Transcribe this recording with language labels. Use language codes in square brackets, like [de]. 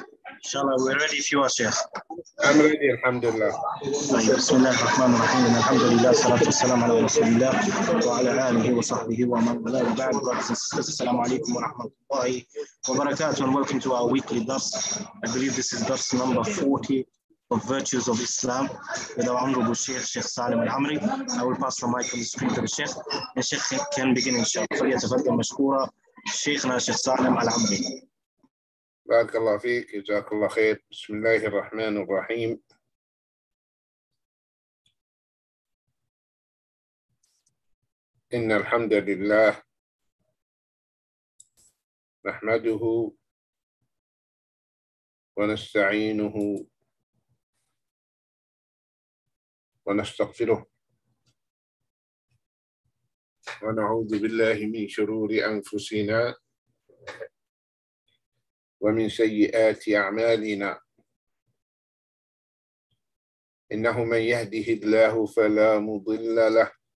[ar] إن شاء الله [en] we're ready for you شيخ. I'm ready [ar] الحمد لله. بسم الله الرحمن الرحيم. الحمد لله والصلاة والسلام على رسول الله وعلى آله وصحبه ومن والاه. وبعد السلام عليكم ورحمة الله وبركاته. [en] And welcome to our weekly درس. I believe this is درس number 40. Of virtues of Islam with our honorable Sheikh, Sheikh Salim Al Amri. I will pass the mic on the screen to the Sheikh, and Sheikh can begin inshallah. So, yes, thank you, Mashkura, Sheikhna Sheikh Salim Al Amri. [ar] بارك الله فيك جزاك الله خير. بسم الله الرحمن الرحيم. إن الحمد لله نحمده ونستعينه ونستغفره ونعوذ بالله من شرور أنفسنا ومن سيئات أعمالنا، إنه من يهده الله فلا مضل له